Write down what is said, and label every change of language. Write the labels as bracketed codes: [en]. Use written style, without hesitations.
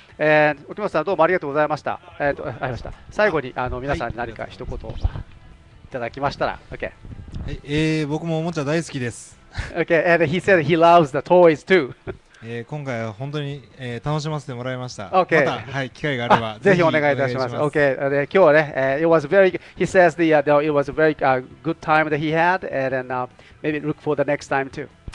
[ja] And 沖本さん、どうもありがとうございました。ありました。最後に皆さんに何か一言いただきましたら、OK。僕もおもちゃ大好きです。 [en] OK, and he said he loves the toys too. [ja] 今回は本当に、楽しませてもらいました。 [en] Okay. [ja] また、はい、機会があればぜひお願いいたします。 [en] Okay. [ja] 今日はね、 [en] it was very, he says it was a very good time that he had, and then, maybe look for the next time too.